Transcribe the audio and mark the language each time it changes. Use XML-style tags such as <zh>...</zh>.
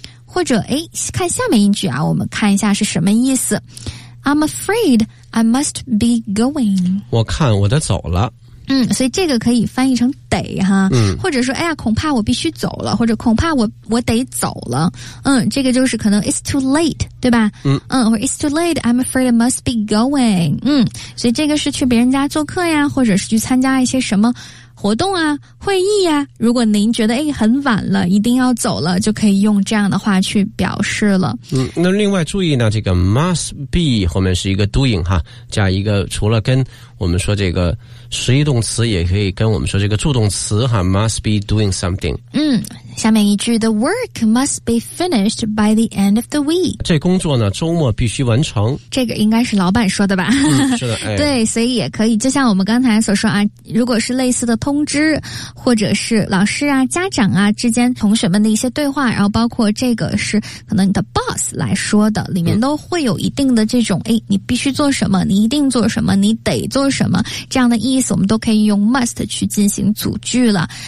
<zh>或者看下面一句啊，我们看一下是什么意思。</zh> <en>I'm afraid I must be going，</en> <zh>我看我得走了。所以这个可以翻译成得哈。或者说恐怕我必须走了，或者恐怕我得走了。这个就是可能</zh> <en>it's too late，</en> <zh>对吧？</zh> <en>或者 it's too late I'm afraid I must be going。</en> <zh>所以这个是去别人家做客呀，或者是去参加一些什么活动啊会议啊，如果您觉得很晚了一定要走了，就可以用这样的话去表示了。那另外注意呢，这个 must be 后面是一个 doing 哈，加一个除了跟我们说这个实义动词，也可以跟我们说这个助动词哈，</zh> <en>must be doing something。</en> <zh>下面一句</zh> <en>the work must be finished by the end of the week，</en> <zh>这工作呢周末必须完成，这个应该是老板说的吧。是的、对，所以也可以就像我们刚才所说啊，如果是类似的通知或者是老师啊家长啊之间同学们的一些对话，然后包括这个是可能你的 boss 来说的，里面都会有一定的这种你必须做什么，你一定做什么，你得做什么，这样的意思我们都可以用 must 去进行组句了。</zh>